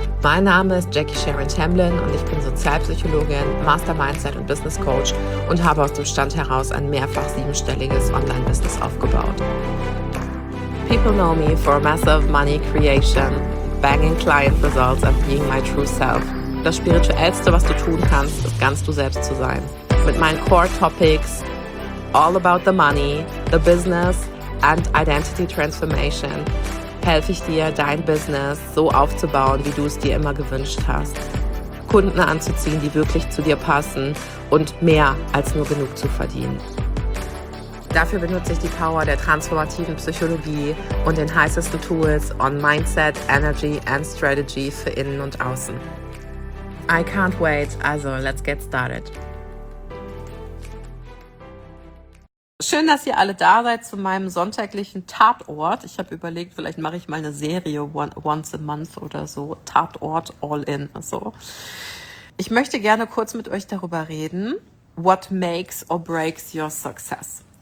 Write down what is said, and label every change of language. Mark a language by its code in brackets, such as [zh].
[de] Mein Name ist Jackie Sharon Tamblyn und ich bin Sozialpsychologin, Master Mindset und Business Coach und habe aus dem Stand heraus ein mehrfach siebenstelliges Online-Business aufgebaut. [en] People know me for massive money creation, banging client results and being my true self. [de] Das Spirituellste, was du tun kannst, ist ganz du selbst zu sein. Mit meinen Core Topics, [en] all about the money, the business and identity transformation, [de] helfe ich dir, dein Business so aufzubauen, wie du es dir immer gewünscht hast. Kunden anzuziehen, die wirklich zu dir passen und mehr als nur genug zu verdienen. Dafür benutze ich die Power der transformativen Psychologie und den heißesten Tools [en] on Mindset, Energy and Strategy [de] für innen und außen. [en] I can't wait, also let's get started. [de] Schön, dass ihr alle da seid zu meinem sonntäglichen Tatort. Ich habe überlegt, vielleicht mache ich mal eine Serie [en] once a month [de] oder so. Tatort all in. So. Ich möchte gerne kurz mit euch darüber reden, [en] what makes or breaks your success.